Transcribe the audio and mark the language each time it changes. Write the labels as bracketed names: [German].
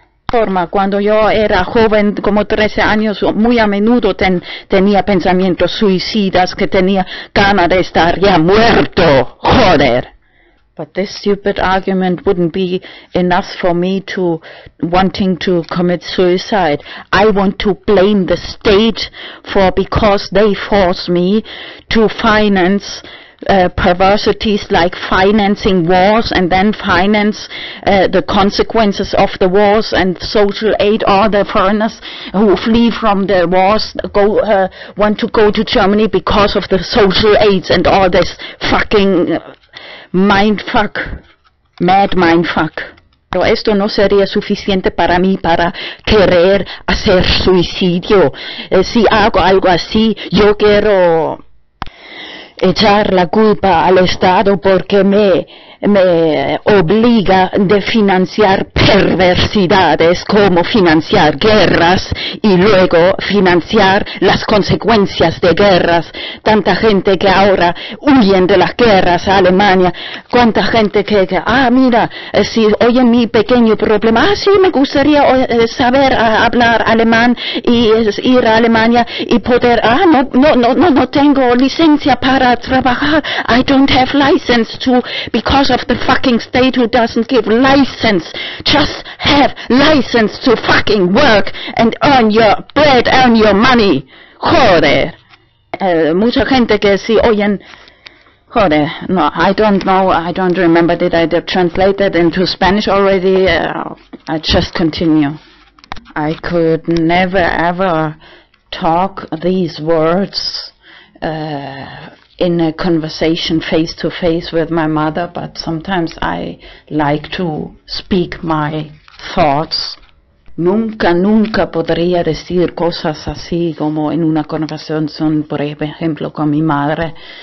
[Spanish] Forma cuando yo era joven, como 13 años, muy a menudo tenía pensamientos suicidas, que tenía ganas de estar ya muerto. Joder. [English] But this stupid argument wouldn't be enough for me to wanting to commit suicide. I want to blame the state because they force me to finance perversities like financing wars, and then finance the consequences of the wars and social aid, or the foreigners who flee from the wars want to go to Germany because of the social aids and all this fucking mindfuck, mad mindfuck. [Spanish] Pero esto no sería suficiente para mí para querer hacer suicidio. Si hago algo así, yo quiero echar la culpa al Estado porque me obliga de financiar perversidades como financiar guerras y luego financiar las consecuencias de guerras. Tanta gente que ahora huyen de las guerras a Alemania. Cuánta gente si oyen mi pequeño problema, me gustaría saber hablar alemán y ir a Alemania y poder, no tengo licencia para trabajar. [English] I don't have license to, because of the fucking state who doesn't give license. Just have license to fucking work and earn your bread, earn your money. Joder. [Spanish] Mucha gente que si oyen, joder, no, [English] I don't know, I don't remember, did I translate that into Spanish already? I just continue. I could never ever talk these words in a conversation face to face with my mother, but sometimes I like to speak my thoughts. [Spanish] Nunca, nunca podría decir cosas así como en una conversación, por ejemplo, con mi madre.